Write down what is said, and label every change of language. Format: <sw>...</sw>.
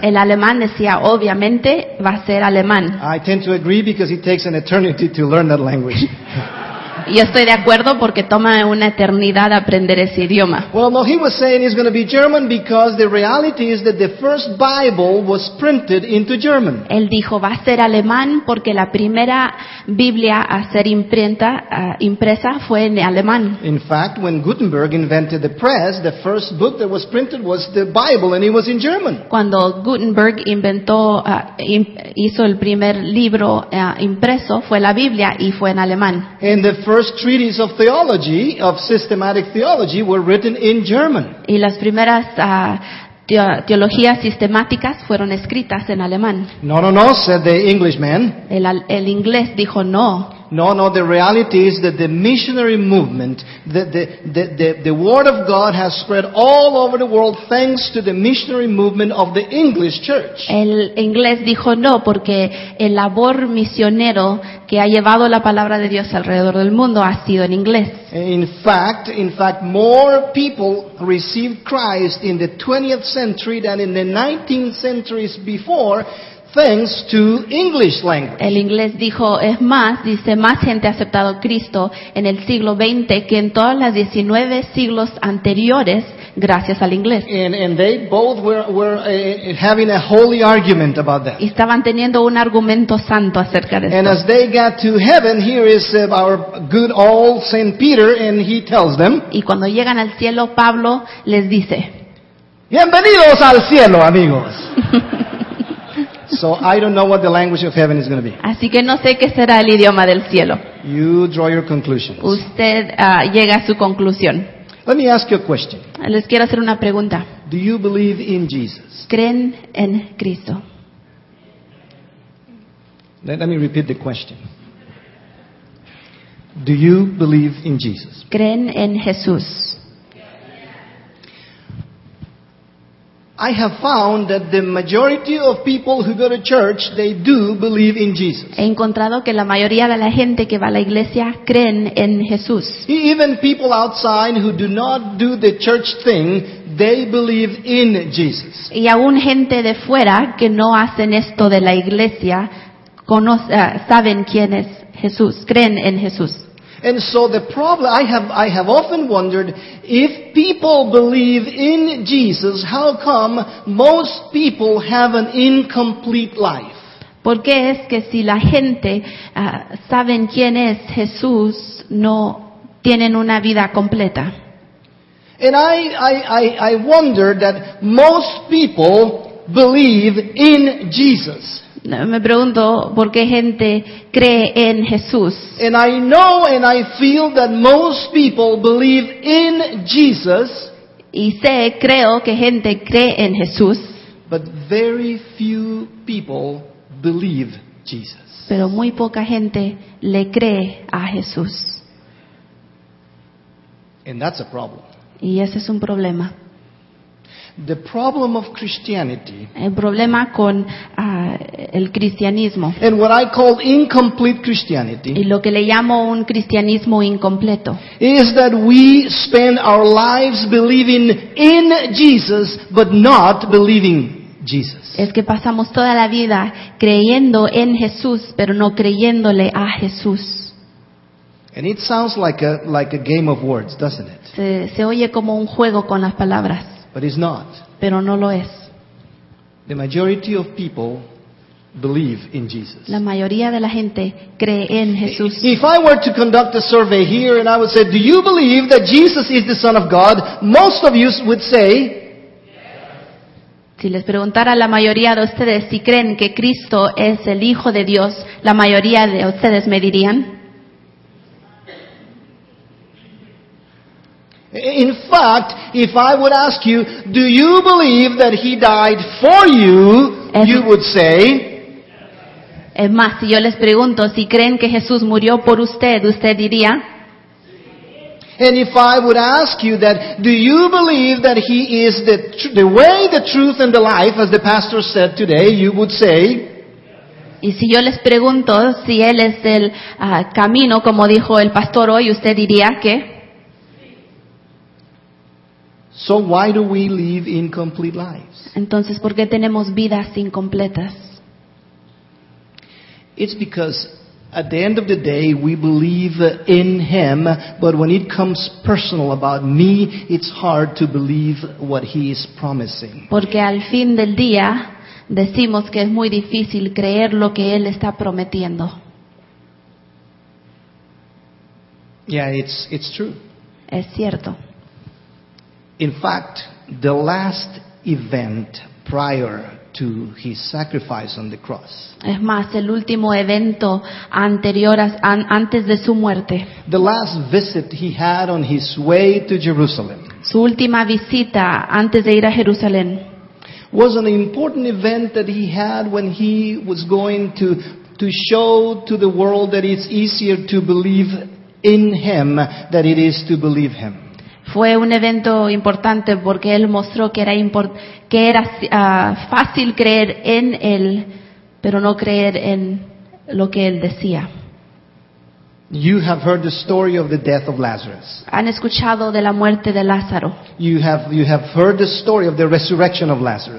<es>El alemán decía, obviamente va a ser alemán.</es> <en>I tend to agree because it takes an eternity to learn that language.</en> <es>y estoy de acuerdo porque toma una eternidad aprender ese idioma.</es> <en>Well, no, he was saying he's going to be German because the reality is that the first Bible was printed into German.</en> <es>Él dijo va a ser alemán porque la primera Biblia a ser impresa fue en alemán.</es> <en>In fact, when Gutenberg invented the press, the first book that was printed was the Bible, and it was in German.</en> <es>Cuando Gutenberg inventó hizo el primer libro impreso fue la Biblia y fue en alemán.</es> <en>And the first treatises of theology, of systematic theology, were written in German.</en> <es>Y las primeras teologías sistemáticas fueron escritas en alemán.</es> <en>No, no, no, said the Englishman.</en> <es>El inglés dijo no.</es> <en>No, no, the reality is that the missionary movement, the word of God has spread all over the world thanks to the missionary movement of the English church.</en> <es>El inglés dijo no porque el labor misionero que ha llevado la palabra de Dios alrededor del mundo ha sido en inglés.</es> <en>In fact, more people received Christ in the 20th century than in the 19th centuries before. Thanks to English language.</en> <es>El inglés dijo, más gente ha aceptado Cristo en el siglo XX que en todas las 19 siglos anteriores gracias al inglés.</es> <en>And they both were having a holy argument about that.</en> <es>Y estaban teniendo un argumento santo acerca de</es> <en>and</en> <es>esto.</es> <en>And as they got to heaven, here is our good old Saint Peter, and he tells them.</en> <es>Y cuando llegan al cielo, Pablo les dice. Bienvenidos al cielo, amigos.</es> <en>So I don't know what the language of heaven is going to be.</en> <es>Así que no sé qué será el idioma del cielo.</es> <en>You draw your conclusions.</en> <es>Usted llega a su conclusión.</es> <en>Let me ask you a question.</en> <es>Les quiero hacer una pregunta.</es> <en>Do you believe in Jesus?</en> <es>¿Creen en Cristo?</es> <en>Let me repeat the question. Do you believe in Jesus?</en> <es>¿Creen en Jesús?</es> <en>I have found that the majority of people who go to church, they do believe in Jesus.</en> <es>He encontrado que la mayoría de la gente que va a la iglesia creen en Jesús.</es> <en>Even people outside who do not do the church thing, they believe in Jesus.</en> <es>Y aún gente de fuera que no hacen esto de la iglesia, saben quién es Jesús, creen en Jesús.</es> <en>And so the problem, I have often wondered, if people believe in Jesus, how come most people have an incomplete life?</en> <es>¿Por qué es que si la gente saben quién es Jesús, no tienen una vida completa?</es> <en>And I wonder that most people believe in Jesus.</en> <es>Me pregunto por qué gente cree en Jesús.</es> <en>And I know and I feel that most people believe in Jesus.</en> <es>Y sé, creo que gente cree en Jesús.</es> <en>But very few people believe Jesus.</en> <es>Pero muy poca gente le cree a Jesús.</es> <en>And that's a problem.</en> <es>Y ese es un problema.</es> <en>The problem of Christianity.</en> <es>El problema con el cristianismo.</es> <en>And what I call incomplete Christianity.</en> <es>Y lo que le llamo un cristianismo incompleto.</es> <en>Is that we spend our lives believing in Jesus, but not believing Jesus.</en> <es>Es que pasamos toda la vida creyendo en Jesús, pero no creyéndole a Jesús.</es> <en>And it sounds like a game of words, doesn't it?</en> <es>Se oye como un juego con las palabras.</es> <en>But it's not.</en> <es>Pero no lo es.</es> <en>The majority of people believe in Jesus.</en> <es>La mayoría de la gente cree en Jesús.</es> <en>If I were to conduct a survey here and I would say, do you believe that Jesus is the Son of God? Most of you would say,</en> <es>si les preguntara a la mayoría de ustedes si creen que Cristo es el Hijo de Dios, la mayoría de ustedes me dirían,</es> <en>in fact, if I would ask you, do you believe that he died for you? You would say.</en> <es>Es más, si yo les pregunto si creen que Jesús murió por usted, usted diría.</es> <en>And if I would ask you that, do you believe that he is the way, the truth, and the life, as the pastor said today, you would say.</en> <es>Y si yo les pregunto si él es el camino, como dijo el pastor hoy, usted diría que.</es> <en>So why do we live incomplete lives?</en> <es>Entonces, ¿por qué tenemos vidas incompletas?</es> <en>It's because At the end of the day, we believe in him, but when it comes personal about me, it's hard to believe what he is promising.</en> <es>Porque al fin del día, decimos que es muy difícil creer lo que él está prometiendo.</es> <en>Yeah, it's true.</en> <es>Es cierto.</es> <en>In fact, the last event prior to his sacrifice on the cross.</en> <es>Es más, el último evento anterior antes de su muerte.</es> <en>The last visit he had on his way to Jerusalem.</en> <es>Su última visita antes de ir a Jerusalén.</es> <en>Was an important event that he had when he was going to show to the world that it's easier to believe in him than it is to believe him.</en> <es>Fue un evento importante porque él mostró que era fácil creer en él, pero no creer en lo que él decía.</es> <en>You have heard the story of the death of Lazarus.</en> <es>Han escuchado de la muerte de Lázaro.</es> <en>You have heard the story of the resurrection of Lazarus.</en>